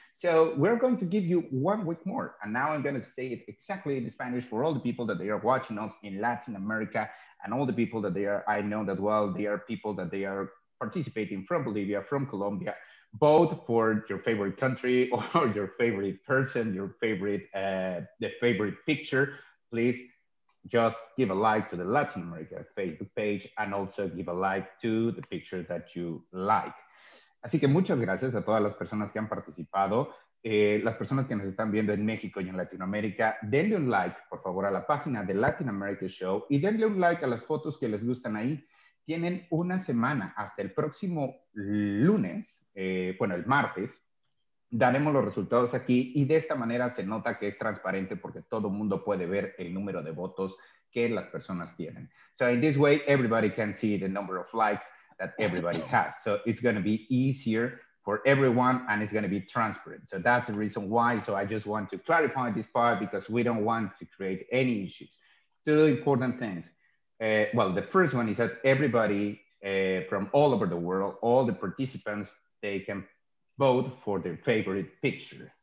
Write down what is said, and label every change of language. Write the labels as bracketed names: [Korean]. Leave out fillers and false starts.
[English] So we're going to give you 1 week more. And now I'm going to say it exactly in Spanish for all the people that they are watching us in Latin America and all the people that they are, I know that well, they are people that they are participating from Bolivia, from Colombia, both for your favorite country or your favorite person, your favorite, the favorite picture. Please just give a like to the Latin America Facebook page and also give a like to the picture that you like. [Spanish] Así que muchas gracias a todas las personas que han participado. Las personas que nos están viendo en México y en Latinoamérica, denle un like, por favor, a la página de Latin America Show y denle un like a las fotos que les gustan ahí. Tienen una semana hasta el próximo lunes, el martes, daremos los resultados aquí y de esta manera se nota que es transparente porque todo mundo puede ver el número de votos que las personas tienen. [English] So in this way, everybody can see the number of likes that everybody has. So it's going to be easier for everyone and it's going to be transparent. So that's the reason why. So I just want to clarify this part because we don't want to create any issues. Two important things. The first one is that everybody from all over the world, all the participants, they can vote for their favorite picture.